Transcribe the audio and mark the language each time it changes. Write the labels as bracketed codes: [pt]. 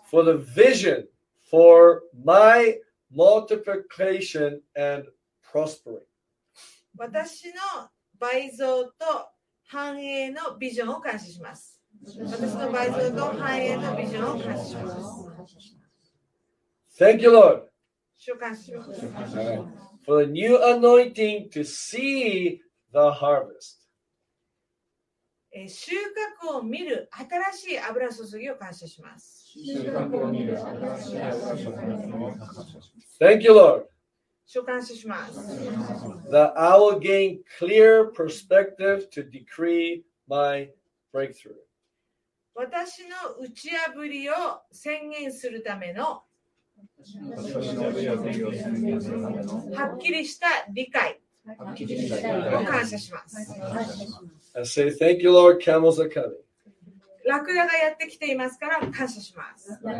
[en] For the vision for my multiplication and prospering. [ja] 私の倍増と繁栄のビジョンを感謝します。私の倍増と繁栄のビジョンを感謝します。 [en] Thank you, Lord. [ja] 主を感謝します。 [en] For the new anointing to see the harvest. [ja] 収穫を見る新しい油注ぎを感謝します。 [en] Thank you, Lord. [ja] 主を感謝します。 [en] That I will gain clear perspective to decree my breakthrough. [ja] 私の打ち破りを宣言するためのはっきりした理解を感謝します。 [en] I say thank you, Lord. Camels are coming. [ja] ラクダがやってきていますから感謝します。